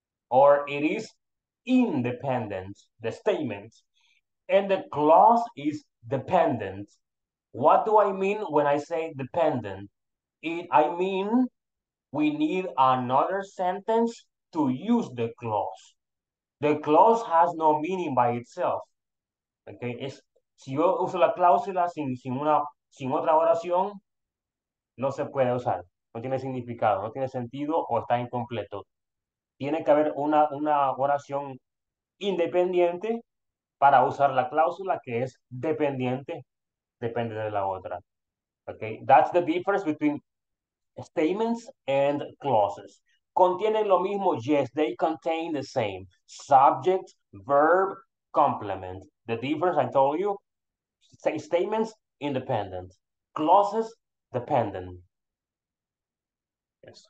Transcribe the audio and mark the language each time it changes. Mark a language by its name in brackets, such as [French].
[English] Or it is independent, the statement. And the clause is dependent. What do I mean when I say dependent? I mean we need another sentence to use the clause. The clause has no meaning by itself. [Spanish] Okay, es, si yo uso la cláusula sin otra oración, no se puede usar. No tiene significado, no tiene sentido o está incompleto. Tiene que haber una oración independiente para usar la cláusula que es dependiente, depende de la otra. [English] Okay, that's the difference between statements and clauses. [Spanish] Contienen lo mismo, [English] yes, they contain the same. Subject, verb, complement. The difference I told you, statements, independent. Clauses, dependent. Yes.